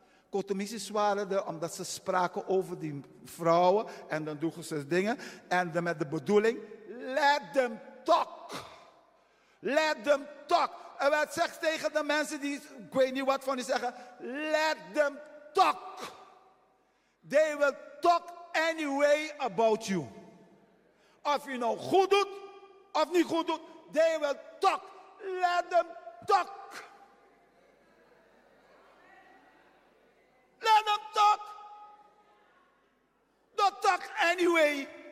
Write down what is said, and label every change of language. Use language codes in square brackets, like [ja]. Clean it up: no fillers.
[nl] Kotomisjes waren er omdat ze spraken over die vrouwen. En dan doen ze dingen. En dan met de bedoeling, [en] let them talk. Let them talk. [nl] En wat zegt tegen de mensen die, ik weet niet wat van die zeggen. [en] Let them talk. They will talk anyway about you. [nl] Of je nou goed doet, of niet goed doet, [en] they will talk. Let them talk. Let them talk. Don't talk anyway.